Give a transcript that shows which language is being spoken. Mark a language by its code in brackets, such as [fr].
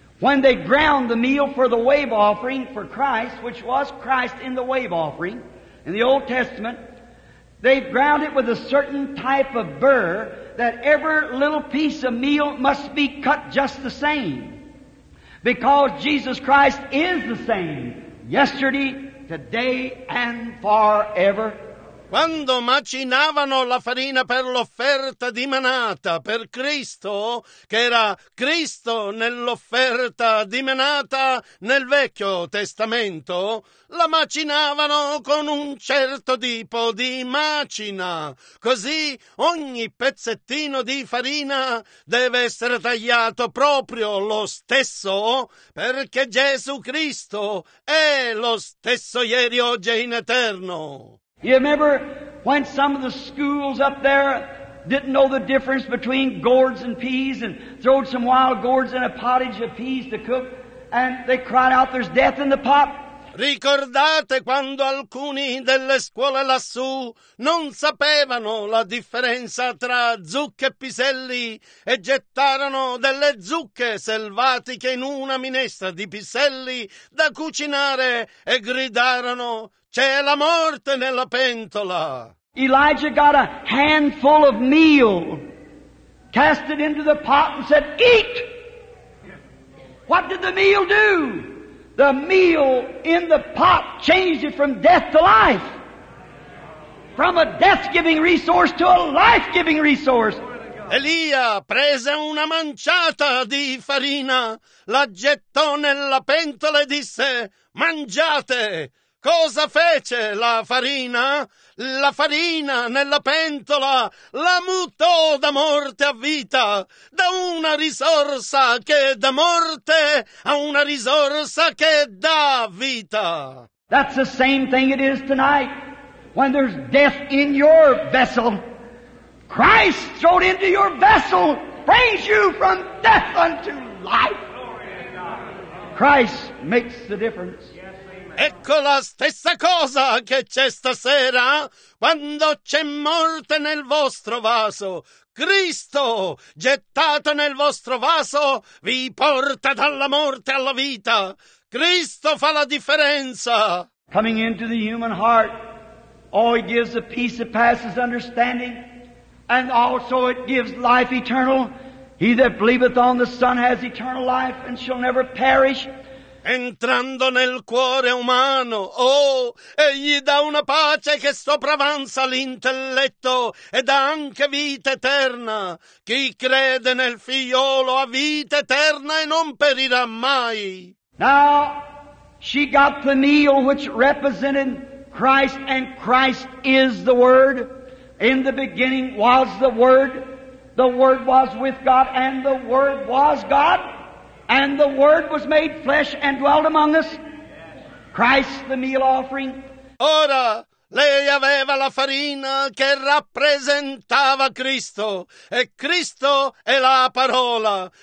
[en] When they ground the meal for the wave offering for Christ, which was Christ in the wave offering, in the Old Testament, they ground it with a certain type of burr that every little piece of meal must be cut just the same. Because Jesus Christ is the same yesterday, today, and forever. [it] Quando macinavano la farina per l'offerta dimanata per Cristo, che era Cristo nell'offerta dimanata nel Vecchio Testamento, la macinavano con un certo tipo di macina. Così ogni pezzettino di farina deve essere tagliato proprio lo stesso, perché Gesù Cristo è lo stesso ieri, oggi e in eterno. [en] You remember when some of the schools up there didn't know the difference between gourds and peas and throwed some wild gourds in a pottage of peas to cook and they cried out, there's death in the pot? [it] Ricordate quando alcuni delle scuole lassù non sapevano la differenza tra zucche e piselli e gettarono delle zucche selvatiche in una minestra di piselli da cucinare e gridarono, c'è la morte nella pentola. [en] Elijah got a handful of meal, cast it into the pot and said, eat! What did the meal do? The meal in the pot changed it from death to life. From a death-giving resource to a life-giving resource. [it] Elia prese una manciata di farina, la gettò nella pentola e disse, mangiate! Cosa fece la farina? La farina nella pentola la mutò da morte a vita, da una risorsa che è da morte a una risorsa che dà vita. [en] That's the same thing it is tonight. When there's death in your vessel, Christ thrown into your vessel brings you from death unto life. Christ makes the difference. [it] Ecco la stessa cosa che c'è stasera, quando c'è morte nel vostro vaso. Cristo, gettato nel vostro vaso, vi porta dalla morte alla vita. Cristo fa la differenza. [en] Coming into the human heart, oh, it gives a peace that passes understanding, and also it gives life eternal. He that believeth on the Son has eternal life and shall never perish. [it] Entrando nel cuore umano, oh, egli dà una pace che sopravanza l'intelletto e dà anche vita eterna. Chi crede nel figliolo ha vita eterna e non perirà mai. [en] Now, she got the meal which represented Christ, and Christ is the Word. In the beginning was the Word was with God, and the Word was God. And the Word was made flesh and dwelt among us. Christ, the meal offering. [it] Ora, Lei aveva la farina che rappresentava Cristo, e Cristo è la parola.